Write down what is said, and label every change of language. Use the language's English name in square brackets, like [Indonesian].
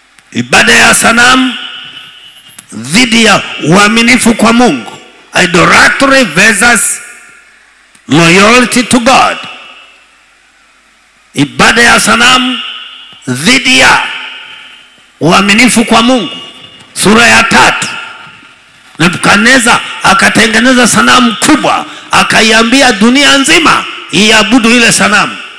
[Swahili] Ibada ya sanamu dhidi ya uaminifu kwa Mungu. [English] Idolatry versus loyalty to God. [Swahili] Ibada ya sanamu dhidi ya uaminifu kwa Mungu. Sura ya tatu. Nebukadneza akatengeneza sanamu kubwa, akaiambia dunia nzima iabudu ile sanamu.